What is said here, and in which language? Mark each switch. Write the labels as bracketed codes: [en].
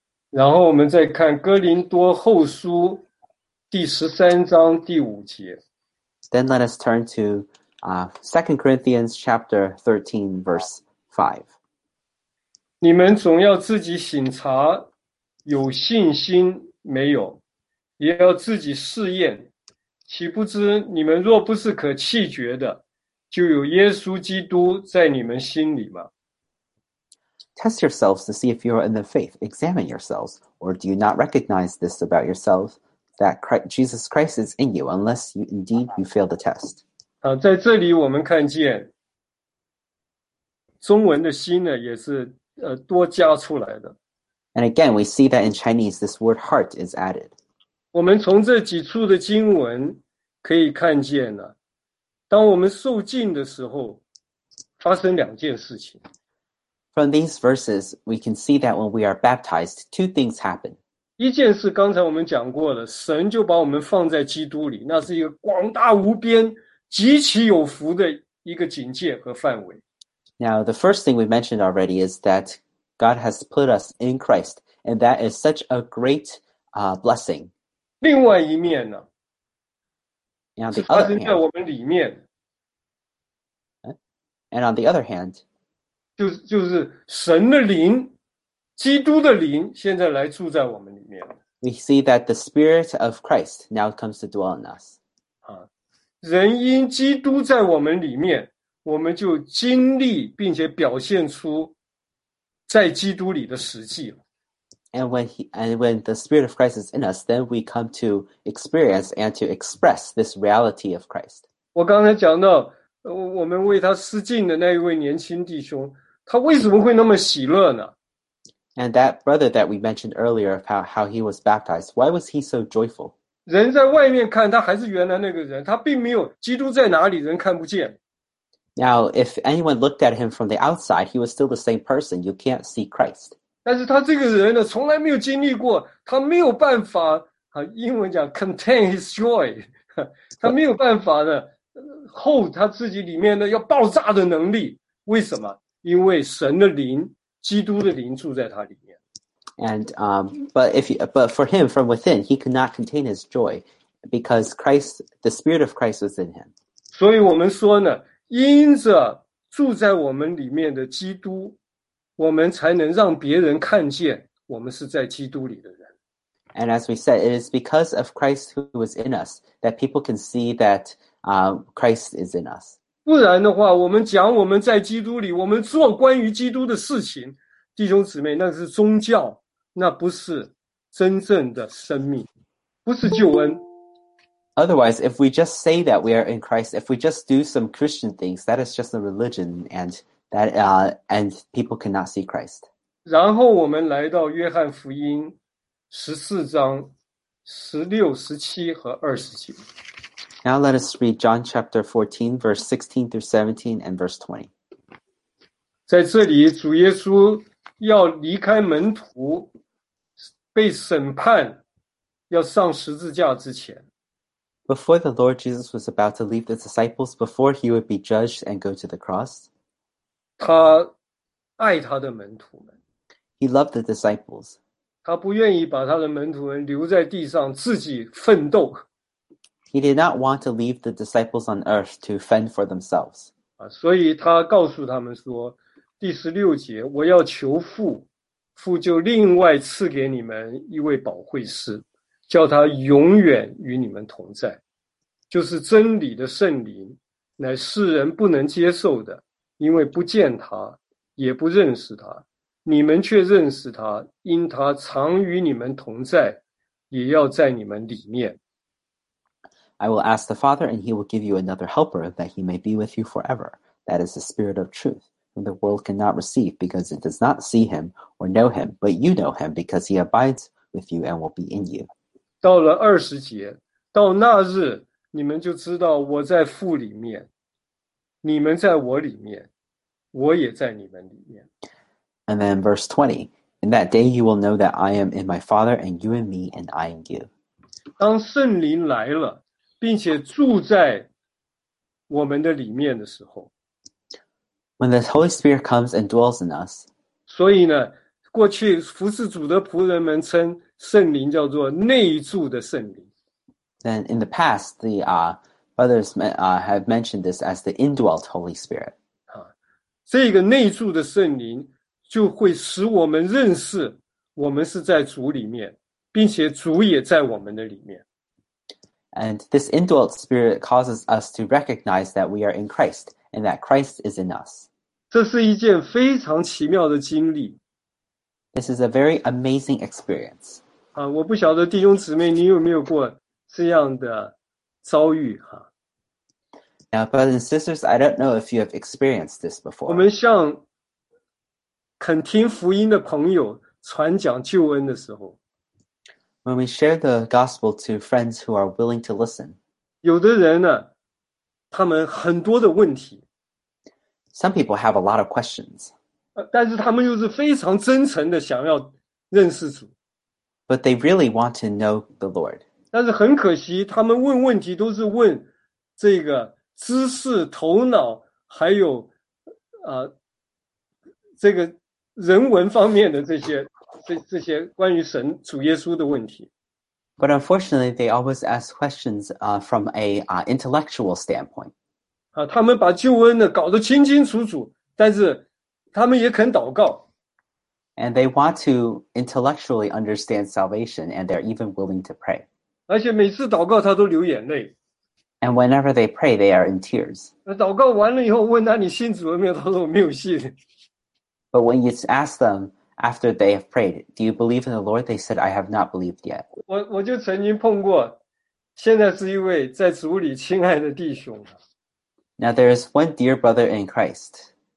[zh] 然后我们再看哥林多后书第十三章第五节。 [en] Then let us turn to Second Corinthians chapter 13, verse 5. [zh] 你们总要自己省察，有信心没有，也要自己试验。岂不知你们若不是可弃绝的，就有耶稣基督在你们心里吗？ [en] Test yourselves to see if you are in the faith. Examine yourselves. Or do you not recognize this about yourself, that Christ, Jesus Christ is in you, unless you, indeed you fail the test? [zh] 在这里我们看见中文的心呢，也是多加出来的。 [en] And again, we see that in Chinese, this word heart is added. [zh] 我们从这几处的经文可以看见呢、啊，当我们受浸的时候，发生两件事情。 [en] From these verses, we can see that when we are baptized, two things happen. [zh] 一件事刚才我们讲过了，神就把我们放在基督里，那是一个广大无边、极其有福的一个境界和范围。 [en] Now, the first thing we mentioned already is that God has put us in Christ, and that is such a great blessing. [zh] 另外一面呢？ [en] Now, the other hand, [zh] 是发生在我们里面。 [en] And on the other hand, [zh] 就是神的灵，基督的灵现在来住在我们里面。 [en] We see that the Spirit of Christ now comes to dwell in us. [zh] 人因基督在我们里面，我们就经历并且表现出在基督里的实际了。 [en] And when the Spirit of Christ is in us, then we come to experience and to express this reality of Christ. [zh] 我刚才讲到，我们为他施浸的那一位年轻弟兄，他为什么会那么喜乐呢？ [en] And that brother that we mentioned earlier about how he was baptized, why was he so joyful? [zh] 人在外面看他还是原来那个人，他并没有基督在哪里，人看不见。 [en] Now, if anyone looked at him from the outside, he was still the same person. You can't see Christ. [zh] 但是他这个人呢，从来没有经历过，他没有办法啊，英文讲 [en] contain his joy， [zh] 他没有办法的。后他自己里面的要爆炸的能力，为什么？因为神的灵，基督的灵住在他里面。 [en] But for him from within, he could not contain his joy, because Christ, the Spirit of Christ was in him. [zh] 所以我们说呢，因着住在我们里面的基督，我们才能让别人看见我们是在基督里的人。 [en] And as we said, it is because of Christ who was in us that people can see that. Christ is in us. [zh] 不然的话，我们讲我们在基督里，我们做关于基督的事情，弟兄姊妹，那是宗教，那不是真正的生命，不是救恩。 [en] Otherwise, if we just say that we are in Christ, if we just do some Christian things, that is just a religion, and that and people cannot see Christ. [zh] 然后我们来到约翰福音十四章十六、十七和二十节。 [en] Now let us read John chapter 14, verse 16 through 17, and verse 20. [zh] 在这里，主耶稣要离开门徒，被审判，要上十字架之前。 [en] Before the Lord Jesus was about to leave the disciples, before he would be judged and go to the cross, [zh] 他爱他的门徒们。 [en] He loved the disciples. [zh] 他不愿意把他的门徒们留在地上，自己奋斗。 [en] He did not want to leave the disciples on earth to fend for themselves. [zh] 所以他告诉他们说，第十六节，我要求父，父就另外赐给你们一位保惠师，叫他永远与你们同在，就是真理的圣灵，乃世人不能接受的，因为不见他，也不认识他，你们却认识他，因他常与你们同在，也要在你们里面。 [en] I will ask the Father, and he will give you another helper, that he may be with you forever. That is the Spirit of truth, whom the world cannot receive, because it does not see him or know him, but you know him, because he abides with you and will be in you. [zh] 到了二十节，到那日，你们就知道我在父里面，你们在我里面，我也在你们里面。 [en] And then verse 20, in that day you will know that I am in my Father, and you in me, and I in you. [zh] 当圣灵来了，并且住在我们的里面的时候， [en] When the Holy Spirit comes and dwells in us, [zh] 所以呢，过去服侍主的仆人们称圣灵叫做内住的圣灵。 [en] Then in the past, the brothers have mentioned this as the indwelt Holy Spirit. [zh] 这个内住的圣灵就会使我们认识我们是在主里面，并且主也在我们的里面。 [en] And this indwelt spirit causes us to recognize that we are in Christ and that Christ is in us. [zh] 这是一件非常奇妙的经历。 [en] This is a very amazing experience. [zh] 我不晓得弟兄姊妹你有没有过这样的遭遇。 [en] Now, brothers and sisters, I don't know if you have experienced this before. [zh] 我们向肯听福音的朋友传讲救恩的时候。 [en] When we share the gospel to friends who are willing to listen. [zh] 有的人呢，他们很多的问题。 [en] Some people have a lot of questions. [zh] 但是他们又是非常真诚的想要认识主。 [en] But they really want to know the Lord. [zh] 但是很可惜，他们问问题都是问这个知识、头脑，还有这个人文方面的这些关于神主耶稣的问题。 [en] But unfortunately, they always ask questions from a intellectual standpoint. [zh] 啊，他们把救恩呢搞得清清楚楚，但是他们也肯祷告。 [en] And they want to intellectually understand salvation, and they're even willing to pray. [zh] 而且每次祷告，他都流眼泪。 [en] And whenever they pray, they are in tears. [zh] 祷告完了以后，问他你信主了没有？他说我没有信。 [en] But when you ask them after they have prayed, "Do you believe in the Lord?" They said, "I have not believed yet." [zh] 我就曾经碰过，现在是一位在主里亲爱的弟兄。 [en] Now there is one dear brother in Christ.